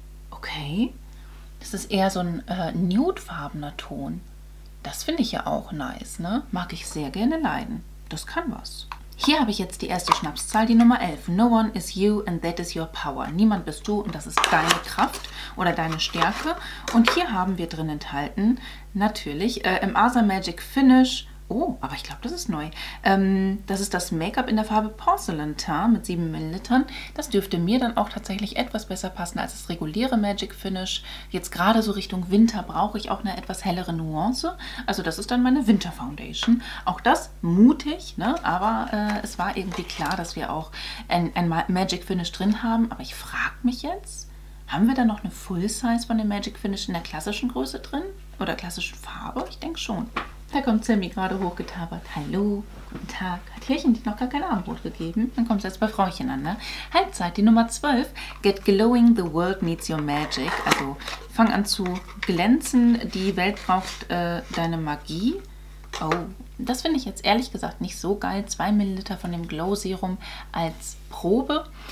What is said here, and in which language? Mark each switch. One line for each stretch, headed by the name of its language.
German: Okay. Das ist eher so ein nude-farbener Ton. Das finde ich ja auch nice, ne? Mag ich sehr gerne leiden. Das kann was. Hier habe ich jetzt die erste Schnapszahl, die Nummer 11.
English: No one is you and that is your power.
German: Niemand bist du und das ist deine Kraft oder deine Stärke. Und hier haben wir drin enthalten, natürlich, im Asa Magic Finish. Oh, aber ich glaube, das ist neu. Das ist das Make-up in der Farbe Porcelain Tint mit 7 Millilitern. Das dürfte mir dann auch tatsächlich etwas besser passen als das reguläre Magic Finish. Jetzt gerade so Richtung Winter brauche ich auch eine etwas hellere Nuance. Also das ist dann meine Winter Foundation. Auch das mutig, ne? Aber es war irgendwie klar, dass wir auch ein Magic Finish drin haben. Aber ich frage mich jetzt, haben wir da noch eine Full Size von dem Magic Finish in der klassischen Größe drin? Oder klassischen Farbe? Ich denke schon. Da kommt Sammy gerade hochgetabert. Hallo, guten Tag. Hat Hirchen dich noch gar kein Abendbrot gegeben? Dann kommt es jetzt bei Frauchen an, ne? Halbzeit, die Nummer 12.
English: Get glowing, the world needs your magic.
German: Also fang an zu glänzen, die Welt braucht deine Magie. Oh, das finde ich jetzt ehrlich gesagt nicht so geil. 2 Milliliter von dem Glow Serum als Probe.